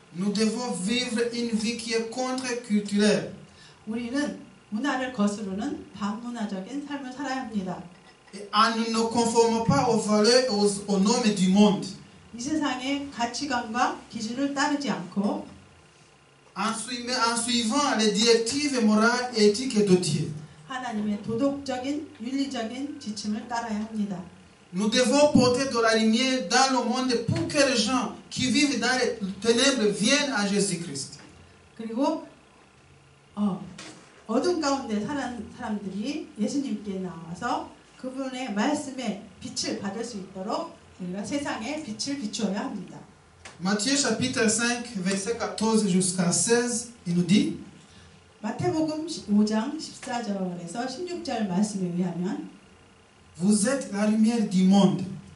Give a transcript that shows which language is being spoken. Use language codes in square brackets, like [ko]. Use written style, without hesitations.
[fr] Nous devons vivre une vie qui est contre-culturelle. [ko] 우리는 문화를 거스르는 반문화적인 삶을 살아야 합니다. [fr] Nous ne conformons pas aux valeurs aux normes du monde. [ko] 이 세상의 가치관과 기준을 따르지 않고 [fr] en suivant les directives morales et éthiques de Dieu. [ko] 하나님의 도덕적인 윤리적인 지침을 따라야 합니다. [fr] Nous devons porter de la lumière dans le monde pour que les gens qui vivent dans les ténèbres viennent à Jésus-Christ. [ko] 그리고 어둠 가운데 사는 사람들이 예수님께 나와서 그분의 말씀에 빛을 받을 수 있도록 우리가 세상에 빛을 비추어야 합니다. [fr] Matthieu chapitre 5 verset 14 jusqu'à 16 il nous dit [ko] 마태복음 5장 14절에서 16절 말씀에 의하면 [fr] Vous êtes la lumière du monde.